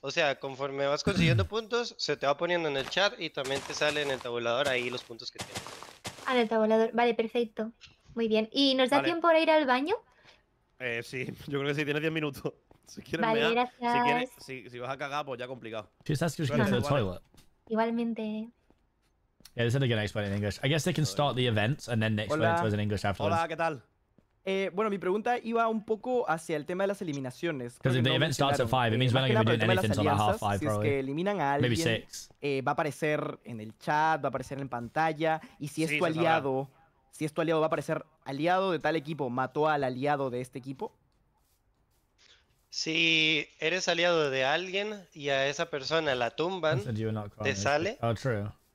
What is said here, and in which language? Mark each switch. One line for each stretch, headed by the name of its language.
Spanish: O sea, conforme vas consiguiendo puntos, se te va poniendo en el chat y también te sale en el tabulador ahí los puntos que tienes. Ah, en el tabulador. Vale, perfecto. Muy bien. ¿Y nos da tiempo para ir al baño? Sí, yo creo que sí, tienes 10 minutos. Si quieres, vale, gracias. Si quieres, si vas a cagar, pues ya complicado.
English: Just ask if she can go to the toilet.
Spanish: Igualmente.
English: Yeah, this is a good explain in English. I guess they can start the events and then explain it to us in English afterwards.
Spanish: Hola, ¿qué tal? Bueno, mi pregunta iba un poco hacia el tema de las eliminaciones.
English: Because if the event starts at 5, it means we're not going to be doing anything until half 5, probably.
Spanish: Si es que eliminan a alguien, maybe 6. Va a aparecer en el chat, va a aparecer en pantalla. Y si es tu aliado, si es tu aliado, va a aparecer aliado de tal equipo, mató al aliado de este equipo. Si eres aliado de alguien y a esa persona la tumban, te sale.
English: Oh, true.